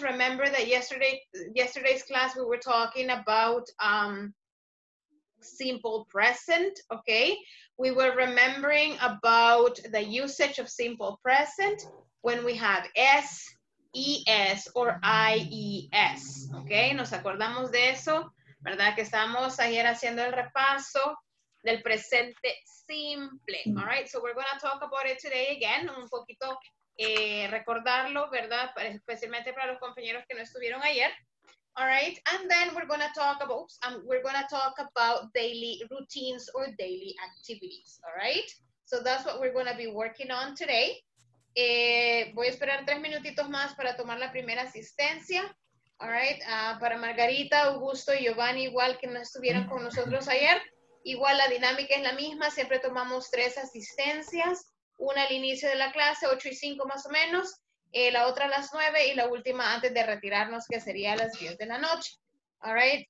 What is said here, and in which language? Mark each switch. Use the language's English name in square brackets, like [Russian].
[English] Remember that yesterday's class we were talking about simple present. Okay, we were remembering about the usage of simple present when we have S, ES or IES, ¿ok? [Spanish] Nos acordamos de eso, ¿verdad? Que estábamos ayer haciendo el repaso del presente simple, all right? [English] So we're going to talk about it today again, [Spanish] un poquito recordarlo, ¿verdad? Especialmente para los compañeros que no estuvieron ayer, all right? [English] And then we're going to talk about, daily routines or daily activities, all right? So that's what we're going to be working on today. [Spanish] Voy a esperar tres minutitos más para tomar la primera asistencia. All right. Para Margarita, Augusto y Giovanni, igual que no estuvieron con nosotros ayer, igual la dinámica es la misma. Siempre tomamos tres asistencias, una al inicio de la clase, 8:05 más o menos, la otra a las 9 y la última antes de retirarnos, que sería a las 10 de la noche. All right.